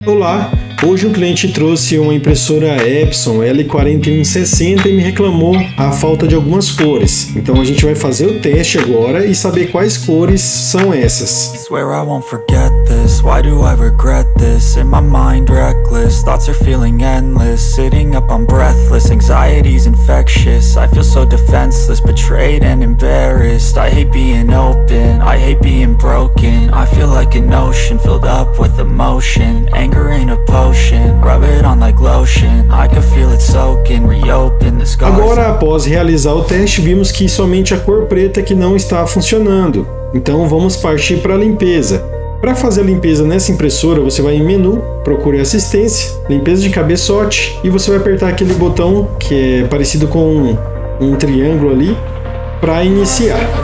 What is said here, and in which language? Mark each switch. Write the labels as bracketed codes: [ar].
[pt] Olá, hoje um cliente trouxe uma impressora Epson L4160 e me reclamou a falta de algumas cores. Então a gente vai fazer o teste agora e saber quais cores são essas. [en] Swear I won't forget this, why do I regret this? In my mind reckless, thoughts are feeling endless. Sitting up, I'm breathless, anxiety's infectious. I feel so defenseless, betrayed and embarrassed. I hate being open, I hate being broken. I feel like an ocean filled up with emotion. Anger ain't a potion, rub it on like lotion. I can feel it soaking, reopen the scars. [pt] Agora, após realizar o teste, vimos que somente a cor preta que não está funcionando. Então vamos partir para a limpeza. Para fazer a limpeza nessa impressora, você vai em menu, procure assistência, limpeza de cabeçote, e você vai apertar aquele botão que é parecido com um triângulo ali para iniciar.